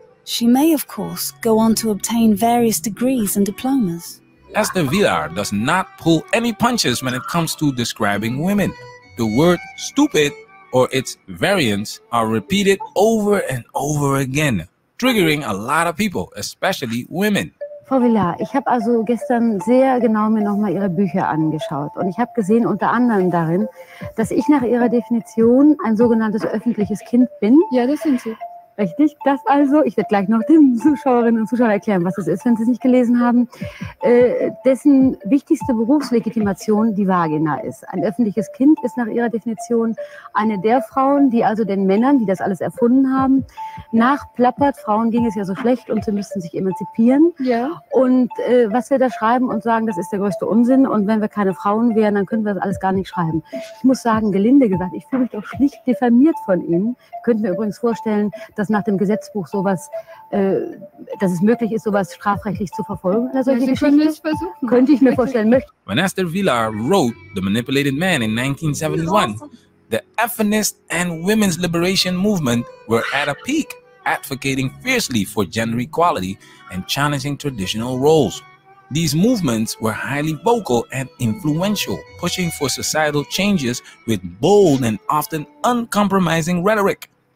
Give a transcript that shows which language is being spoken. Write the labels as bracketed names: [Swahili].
[English] She may, of course, go on to obtain various degrees and diplomas. Esther Vilar does not pull any punches when it comes to describing women. The word stupid or its variants are repeated over and over again, triggering a lot of people, especially women. [German] Frau Vilar, ich habe also gestern sehr genau mir nochmal Ihre Bücher angeschaut und ich habe gesehen unter anderem darin, dass ich nach Ihrer Definition ein sogenanntes öffentliches Kind bin. Ja, das sind Sie. Richtig, das also, ich werde gleich noch den Zuschauerinnen und Zuschauern erklären, was es ist, wenn Sie es nicht gelesen haben, dessen wichtigste Berufslegitimation die Vagina ist. Ein öffentliches Kind ist nach Ihrer Definition eine der Frauen, die also den Männern, die das alles erfunden haben, nachplappert, Frauen ging es ja so schlecht und sie müssten sich emanzipieren. Ja. Und was wir da schreiben und sagen, das ist der größte Unsinn und wenn wir keine Frauen wären, dann könnten wir das alles gar nicht schreiben. Ich muss sagen, gelinde gesagt, ich fühle mich doch schlicht diffamiert von Ihnen. Ich könnte mir übrigens vorstellen, dass nach dem Gesetzbuch sowas, dass es möglich ist, sowas strafrechtlich zu verfolgen. Oder solche Sie können es versuchen. Könnte ich mir vorstellen. [English] When Esther Vilar wrote The Manipulated Man in 1971, the feminist and women's liberation movement were at a peak, advocating fiercely for gender equality and challenging traditional roles. These movements were highly vocal and influential, pushing for societal changes with bold and often uncompromising rhetoric.